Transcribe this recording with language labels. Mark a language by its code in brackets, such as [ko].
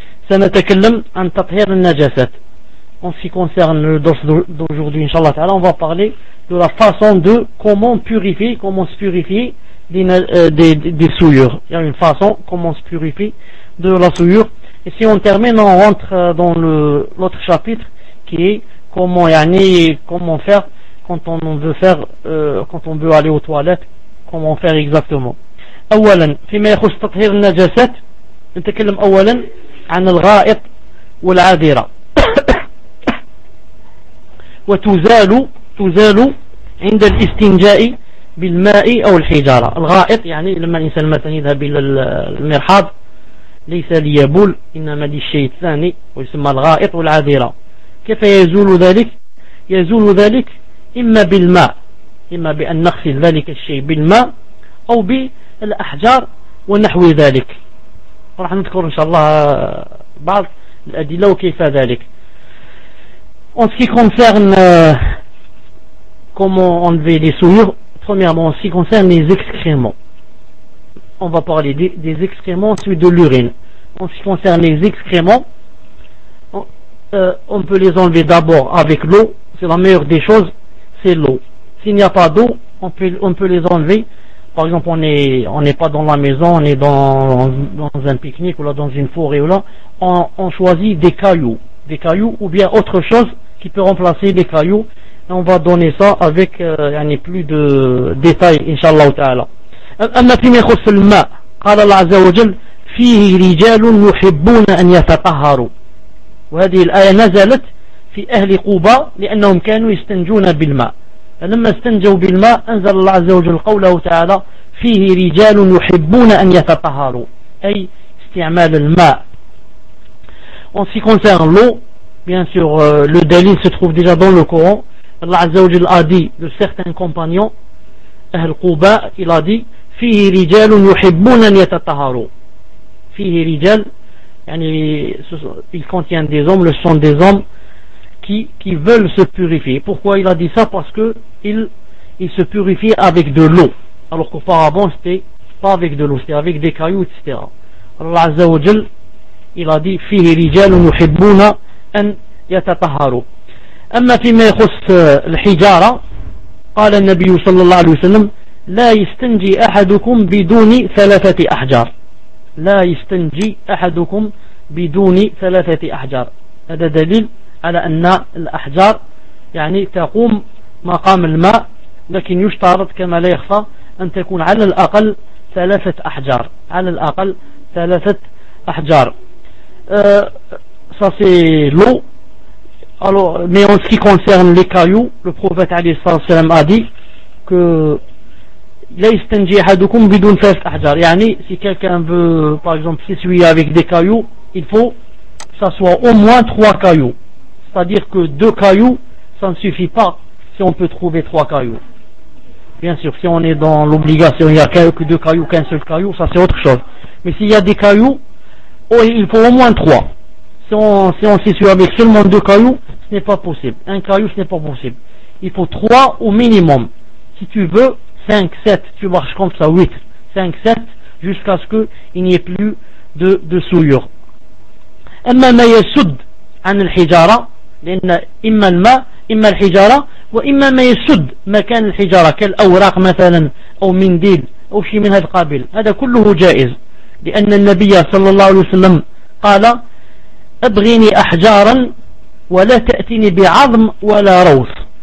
[ar] سنتكلم عن تطهير النجاسات. [fr] En ce qui concerne le dors d'aujourd'hui, inshallah ta'ala, on va parler de la façon de comment se purifier des souillures. Il y a une façon comment se purifier de la souillure. Et si on termine, on rentre dans l'autre chapitre. qui est comment yani, comment faire quand on veut faire quand on veut aller aux toilettes, comment faire exactement. [ar] اولا فيما يخص تطهير النجاسات نتكلم اولا عن الغائط والعذرة وتزال عند الاستنجاء بالماء او الحجارة. الغائط يعني لما الانسان مثلا يذهب الى المرحاض ليس ليبول انما للشيء الثاني ويسمى الغائط والعذرة. كيف يزول ذلك؟ يزول ذلك اما بالماء، اما بان نغسل ذلك الشيء بالماء او بالاحجار ونحو ذلك. راح نذكر ان شاء الله بعض الادله وكيف ذلك. [fr] En ce qui concerne comment enlever les souillures, premièrement en ce qui concerne les excréments, on va parler des excréments, ensuite de l'urine. En ce qui concerne les excréments, on peut les enlever d'abord avec l'eau, c'est la meilleure des choses, c'est l'eau. S'il n'y a pas d'eau, on peut les enlever. Par exemple, on n'est pas dans la maison, on est dans un pique-nique ou là dans une forêt ou là, on choisit des cailloux ou bien autre chose qui peut remplacer des cailloux. Et on va donner ça avec yani plus de détails inshallah ta'ala. [ar] أما فيما يخص الماء قال الله عز وجل فيه رجال يحبون أن يتطهروا. وهذه الآية نزلت في أهل قباء لأنهم كانوا يستنجون بالماء، فلما استنجوا بالماء أنزل الله عز وجل قوله تعالى فيه رجال يحبون أن يتطهروا، أي استعمال الماء. [fr] En ce qui concerne l'eau, bien sûr le dalil se trouve déjà dans le Coran. Allah عز وجل a dit de certains compagnons أهل قباء، il a dit [ar] فيه رجال يحبون أن يتطهروا. فيه رجال يعني [fr] il contient des hommes, le sont des hommes qui veulent se purifier. Pourquoi il a dit ça? Parce que il se purifient avec de l'eau, alors qu'auparavant c'était pas avec de l'eau, c'était avec des cailloux etc. Allah عز وجل il a dit [ar] فيه رجال يحبون أن يتطهروا. أما فيما يخص الحجارة قال النبي صلى الله عليه وسلم لا يستنجي أحدكم بدون ثلاثة أحجار. لا يستنجي أحدكم بدون ثلاثة أحجار، هذا دليل على أن الأحجار يعني تقوم مقام الماء، لكن يشترط كما لا يخفى أن تكون على الأقل ثلاثة أحجار، على الأقل ثلاثة أحجار. صافي لو [fr] alors mais en ce qui concerne les cailloux, le prophète [ar] عليه الصلاة والسلام [fr] a dit que [ar] لا يستنجي أحدكم بدون ثلاثة أحجار. [fr] يعني si quelqu'un veut par exemple s'essuyer avec des cailloux, il faut que ça soit au moins trois cailloux. C'est-à-dire que deux cailloux, ça ne suffit pas si on peut trouver trois cailloux. Bien sûr, si on est dans l'obligation, il n'y a que deux cailloux, qu'un seul caillou, ça c'est autre chose. Mais s'il y a des cailloux, oh, il faut au moins trois. Si on s'essuie avec seulement deux cailloux, ce n'est pas possible. Un caillou, ce n'est pas possible. Il faut trois au minimum. Si tu veux, 5-7, tu marches comme ça, 8, 5-7, jusqu'à ce qu'il n'y ait plus de souillure. [ar] أما ما يسد عن الحجارة، لأن إما الماء إما الحجارة، وإما ما يسد مكان الحجارة كالأوراق مثلا أو منديل أو شيء من هذا القبيل، هذا كله جائز، لأن النبي صلى الله عليه وسلم قال أبغني أحجارا ولا تأتني بعظم ولا روث.